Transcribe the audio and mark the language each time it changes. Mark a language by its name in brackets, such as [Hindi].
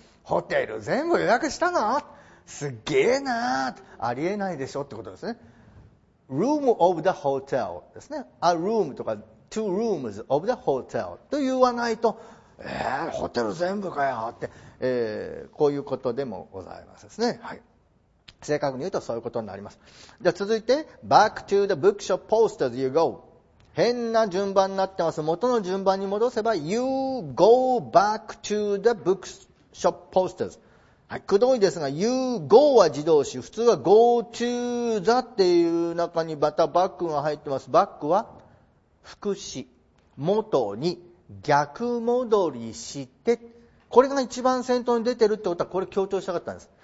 [Japanese] ホテル全部予約したの、すげえなー、ありえないでしょってことですね。 [English] Room of the hotel [Japanese] ですね。A room とか [English] Two rooms of the hotel [Japanese] と言わないと、ホテル全部かよって、こういうことでもございますですね、はい。正確に言うとそういうことになります。じゃあ続いて [English] Back to the bookshop post as you go。 [Japanese] 変な順番になってます。元の順番に戻せば [English] You go back to the bookshop post as、 [Japanese] はい、くどいですが You go は自動詞、普通は Go to the っていう中にまた Back が入ってます。 Back は副詞、元に逆戻りして、これが一番先頭に出てるってことはこれ強調したかったんです。